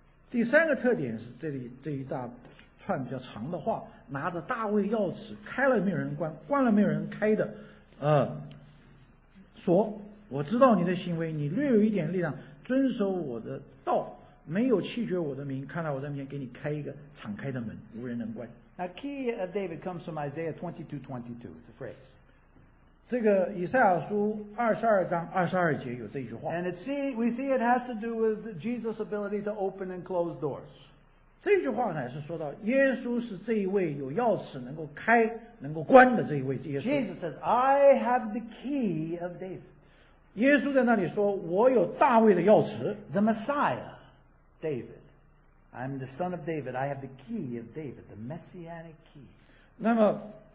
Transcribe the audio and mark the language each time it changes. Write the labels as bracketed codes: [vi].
[zh] 第三个特点是这一大串比较长的话，拿着大卫钥匙开了没有人关，关了没有人开的，说我知道你的行为，你略有一点力量，遵守我的道，没有弃绝我的名，看来我在面前给你开一个敞开的门，无人能关。 [en] Now, key of David comes from Isaiah 22:22. It's a phrase. [zh] 这个以赛亚书22章22节有这句话。 [en] And we see it has to do with Jesus' ability to open and close doors. [zh] 这句话呢是说到耶稣是这一位有钥匙能够开能够关的这一位耶稣。 [en] Jesus says, I have the key of David. [zh] 耶稣在那里说,我有大卫的钥匙。 [en] The Messiah, David. I'm the son of David. I have the key of David, the messianic key.